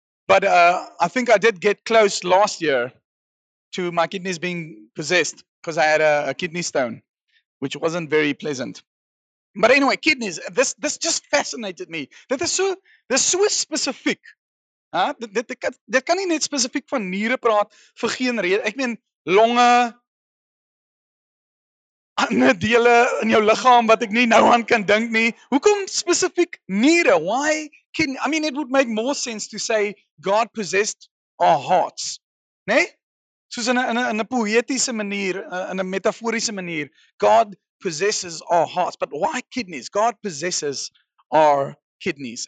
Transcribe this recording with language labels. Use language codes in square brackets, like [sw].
[en] But I think I did get close last year to my kidneys being possessed, because I had a kidney stone, which wasn't very pleasant. But anyway, kidneys, this just fascinated me. That they're so specific. [af] Dit kan nie net spesifiek van niere praat vir geen rede. Ek meen longe, ander dele in jou liggaam wat ek nie nou aan kan dink nie. Hoekom spesifiek niere? [en] Why can I mean it would make more sense to say God possessed our hearts. [af] Né? Soos in 'n poëtiese manier, in 'n metaforiese manier, [en] God possesses our hearts, but why kidneys? God possesses our kidneys.